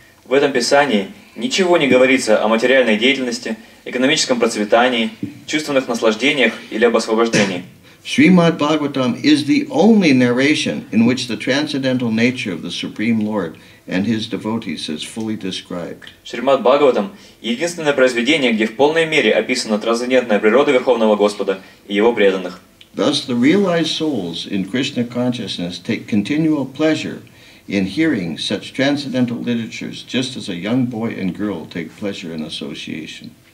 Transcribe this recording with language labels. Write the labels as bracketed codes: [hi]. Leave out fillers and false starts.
[ru] В этом писании ничего не говорится о материальной деятельности, экономическом процветании, чувственных наслаждениях или об освобождении. [en] Srimad Bhagavatam is the only narration in which the transcendental nature of the Supreme Lord and His devotees is fully described. [ru] Srimad Bhagavatam – единственное произведение, где в полной мере описана трансцендентная природа Верховного Господа и Его преданных. [en] Thus, the realized souls in Krishna consciousness take continual pleasure in hearing such transcendental literatures, just as a young boy and girl take pleasure in association.